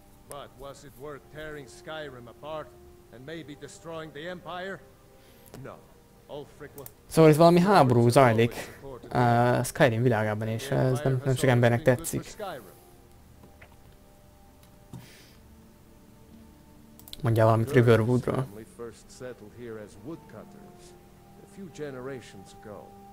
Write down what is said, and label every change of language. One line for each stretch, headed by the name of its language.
English: But was it worth tearing Skyrim apart and maybe destroying the empire? No. Ulfric was.
Hungarian: Szóval itt valami háború zajlik a Skyrim világában, és ez nem sok embernek tetszik. Mondja valamit Riverwoodról.
English: We first settled here as woodcutters a few generations ago.